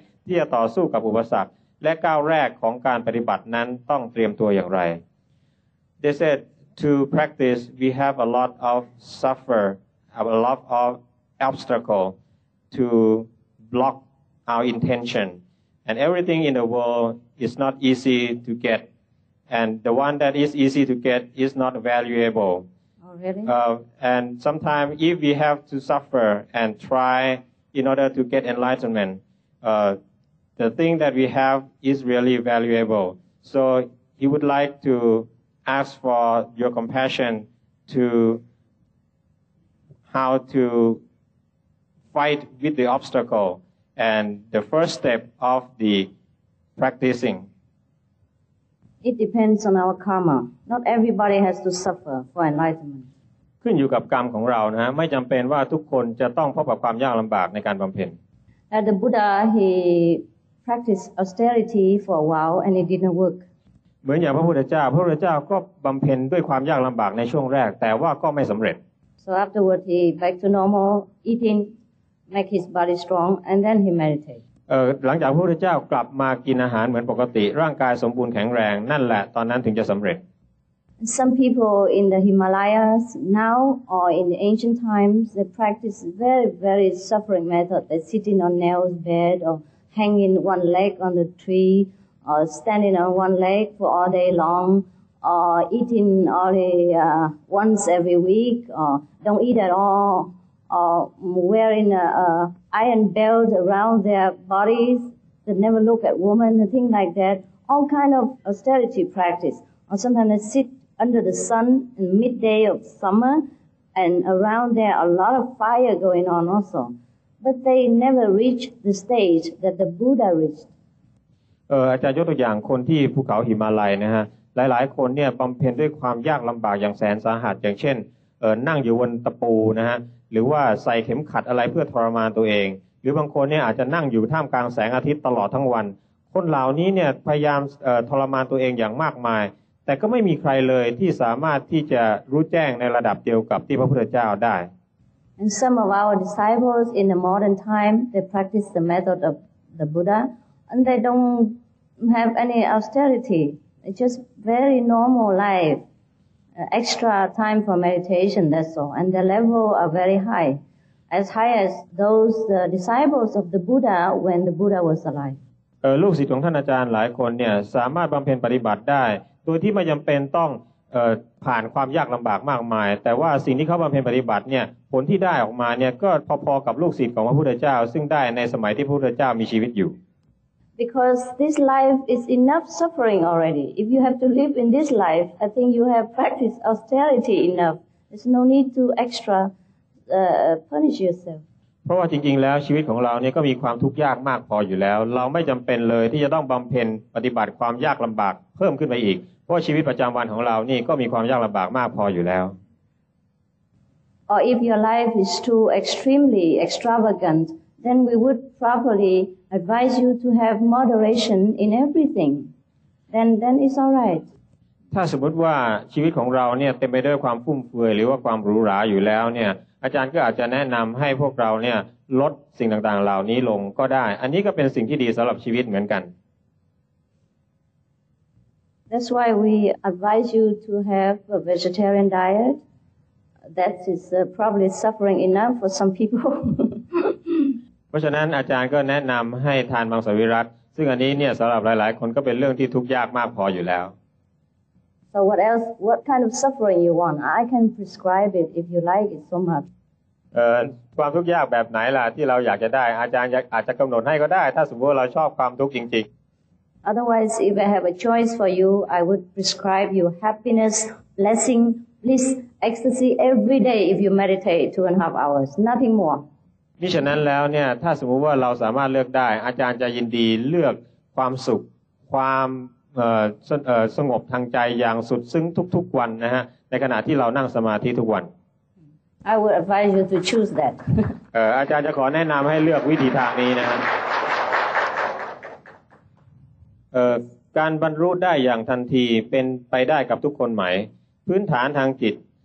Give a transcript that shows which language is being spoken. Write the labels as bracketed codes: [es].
[th] ที่จะต่อสู้กับอุปสรรคและก้าวแรกของการปฏิบัตินั้นต้องเตรียมตัวอย่างไร [en] They said to practice we have a lot of suffer a lot of obstacle to block our intention and everything in the world is not easy to getAnd the one that is easy to get is not valuable. Oh, really? And sometimes if we have to suffer and try in order to get enlightenment, the thing that we have is really valuable. So he would like to ask for your compassion to how to fight with the obstacle and the first step of the practicing. It depends on our karma. Not everybody has to suffer for enlightenment. [th] ขึ้นอยู่กับกรรมของเรานะฮะไม่จําเป็นว่าทุกคนจะต้องพบกับความยากลําบากในการบําเพ็ญ [en] The Buddha he practiced austerity for a while and it didn't work. [th] เหมือนอย่างพระพุทธเจ้าพระพุทธเจ้าก็บําเพ็ญด้วยความยากลําบากในช่วงแรกแต่ว่าก็ไม่สําเร็จ [en] So afterward he back to normal eating make his body strong and then he meditate. [th] หลังจากพระพุทธเจ้ากลับมากินอาหารเหมือนปกติร่างกายสมบูรณ์แข็งแรงนั่นแหละตอนนั้นถึงจะสำเร็จ [en] Some people in the Himalayas now or in the ancient times they practice very very suffering method they sitting on nails bed or hanging one leg on the tree or standing on one leg for all day long or eating only once every week or don't eat at allwearing an iron belt around their bodies, they never look at women, things like that. All kind of austerity practice. Or sometimes they sit under the sun in midday of summer, and around there a lot of fire going on also. But they never reach the stage that the Buddha reached. [th] อาจารย์ยกตัวอย่างคนที่ภูเขาหิมาลัยนะฮะหลายๆคนเนี่ยบำเพ็ญด้วยความยากลำบากอย่างแสนสาหัสอย่างเช่นนั่งอยู่บนตะปูนะฮะหรือว่าใส่เข็มขัดอะไรเพื่อทรมานตัวเองหรือบางคนเนี่ยอาจจะนั่งอยู่ท่ามกลางแสงอาทิตย์ตลอดทั้งวันคนเหล่านี้เนี่ยพยายามทรมานตัวเองอย่างมากมายแต่ก็ไม่มีใครเลยที่สามารถที่จะรู้แจ้งในระดับเดียวกับที่พระพุทธเจ้าได้ [en] And some of our disciples in the modern time they practice the method of the Buddha and they don't have any austerity it's just very normal lifeExtra time for meditation, that's all. And the level are very high. As high as those disciples of the Buddha when the Buddha was alive. [th] ลูกศิษย์ของท่านอาจารย์หลายคนเนี่ยสามารถบำเพ็ญปฏิบัติได้โดยที่ไม่จำเป็นต้องผ่านความยากลำบากมากมายแต่ว่าสิ่งที่เขาบำเพ็ญปฏิบัติเนี่ยผลที่ได้ออกมาเนี่ยก็พอๆกับลูกศิษย์ของพระพุทธเจ้าซึ่งได้ในสมัยที่พระพุทธเจ้ามีชีวิตอยู่ [en] Because this life is enough suffering already. If you have to live in this life, I think you have practiced austerity enough. There's no need to extra punish yourself. [th] เพราะว่าจริงๆแล้วชีวิตของเราเนี่ยก็มีความทุกข์ยากมากพออยู่แล้วเราไม่จำเป็นเลยที่จะต้องบำเพ็ญปฏิบัติความยากลำบากเพิ่มขึ้นไปอีกเพราะชีวิตประจำวันของเรานี่ก็มีความยากลำบากมากพออยู่แล้ว [en] Or if your life is too extremely extravagant, then we would properly advise you to have moderation in everything. Then it's all right. [th] ถ้าสมมติว่าชีวิตของเราเนี่ยเต็มไปด้วยความฟุ่มเฟือยหรือว่าความหรูหราอยู่แล้วเนี่ยอาจารย์ก็อาจจะแนะนำให้พวกเราเนี่ยลดสิ่งต่างๆเหล่านี้ลงก็ได้อันนี้ก็เป็นสิ่งที่ดีสำหรับชีวิตเหมือนกัน [en] That's why we advise you to have a vegetarian diet that is probably suffering enough for some people [th] เพราะฉะนั้นอาจารย์ก็แนะนำให้ทานมังสวิรัตซึ่งอันนี้เนี่ยสำหรับหลายๆคนก็เป็นเรื่องที่ทุกข์ยากมากพออยู่แล้ว [en] So what else what kind of suffering you want I can prescribe it if you like it so much [th] ความทุกข์ยากแบบไหนล่ะที่เราอยากจะได้อาจารย์อาจจะกำหนดให้ก็ได้ถ้าสมมติว่าเราชอบความทุกข์จริง [en] ๆ Otherwise if I have a choice for you I would prescribe you happiness blessing bliss ecstasy every day if you meditate 2.5 hours nothing more [th] มิฉะนั้นแล้วเนี่ยถ้าสมมุติว่าเราสามารถเลือกได้อาจารย์จะยินดีเลือกความสุขความสงบทางใจอย่างสุดซึ้งทุกๆวันนะฮะในขณะที่เรานั่งสมาธิทุกวัน [en] I would advise you to choose that [th] อาจารย์จะขอแนะนำให้เลือกวิธีทางนี้นะฮะการบรรลุได้อย่างทันทีเป็นไปได้กับทุกคนไหมพื้นฐานทางจิต